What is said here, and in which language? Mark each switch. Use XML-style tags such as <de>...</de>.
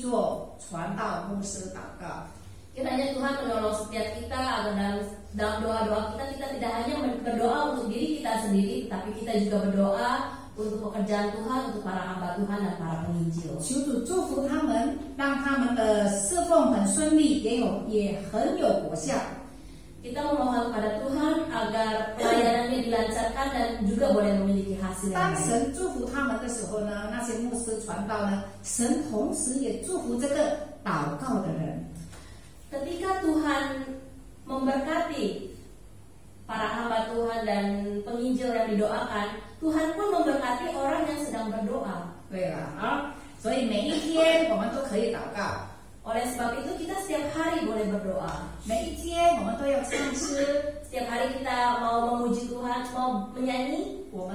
<zh>求神帮助我们，不但为自己、自己的家人，也为传道牧师祷告.</zh> <id>Kiranya Tuhan menolong setiap kita agar dalam doa-doa kita tidak hanya berdoa untuk diri kita sendiri, tapi kita juga berdoa untuk pekerjaan Tuhan, untuk para hamba Tuhan dan para penginjil.</id> <zh>求主祝福他们, 让他们的侍奉很顺利, 也很有果效。</zh> <id>Kita memohon kepada Tuhan agar pelayanannya dilancarkan dan juga boleh memiliki hasil yang baik.</id> <zh>当神祝福他们的时候呢, 那些牧师传道呢, 神同时也祝福这个祷告的人。</zh> <id>Ketika Tuhan memberkati para hamba Tuhan dan penginjil yang didoakan, Tuhan pun memberkati orang yang sedang berdoa.</id> <zh>对了，所以每一天我们都可以祷告。</zh> <id>Oleh sebab itu kita setiap hari boleh berdoa.</id> <zh>每一天我们都要唱诗。</zh> <id>Setiap hari kita mau memuji Tuhan, mau menyanyi.</id>